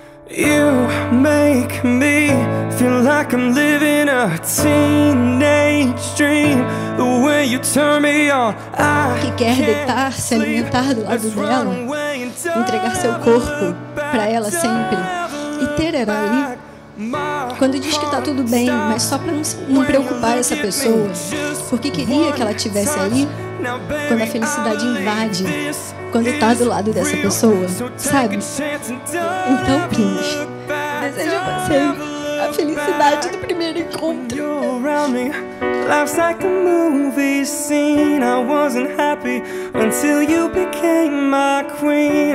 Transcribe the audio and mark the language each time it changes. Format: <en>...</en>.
<en>You make me feel like I'm living a teenage dream. The way you turn me on, I</en> <pt>que quer deitar, se alimentar do lado dela, entregar seu corpo pra ela sempre e ter ela ali. Quando diz que tá tudo bem, mas só pra não preocupar essa pessoa, porque queria que ela estivesse ali. Quando a felicidade invade, quando tá do lado dessa pessoa, sabe? Então, Prince, desejo você a felicidade do primeiro encontro.</pt> <en>Life's like a movie scene. I wasn't happy until you became my queen.</en>